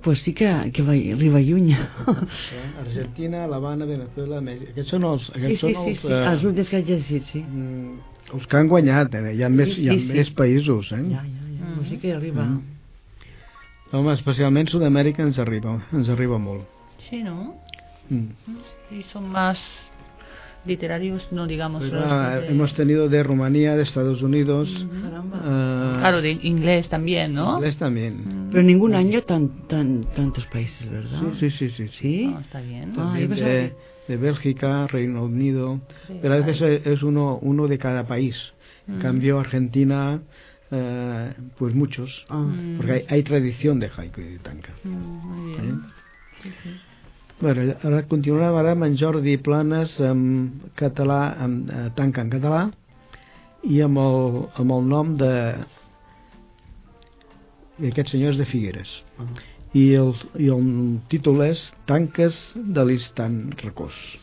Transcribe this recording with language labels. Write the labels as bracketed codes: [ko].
[ca] Doncs pues sí que arriba lluny. Argentina, La Habana, Venezuela, Mèxic. Aquests són els... Aquests sí, sí, són els últims que has dit, sí. Els que han guanyat, eh? Hi ha més països, eh? Ja. Pues sí que arriba. Mm. Home, especialment Sud-amèrica ens arriba molt. Sí, no? [es] Y son más literarios, no digamos. Pues, hemos tenido de Rumanía, de Estados Unidos. Claro, de inglés también, ¿no? Inglés también. Pero ningún año tantos países, ¿verdad? Sí. ¿Sí? Oh, está bien. De Bélgica, Reino Unido. Sí, pero a veces es uno de cada país. En cambio, Argentina, pues muchos. Ah. Porque hay tradición de haiku y de tanka. Muy bien. Sí. [ca] Bueno, ara continuarem ara amb en Jordi Planes en català, tanca en català, i amb el nom de... I aquest senyor és de Figueres. Uh-huh. I el títol és Tanques de l'instant recós.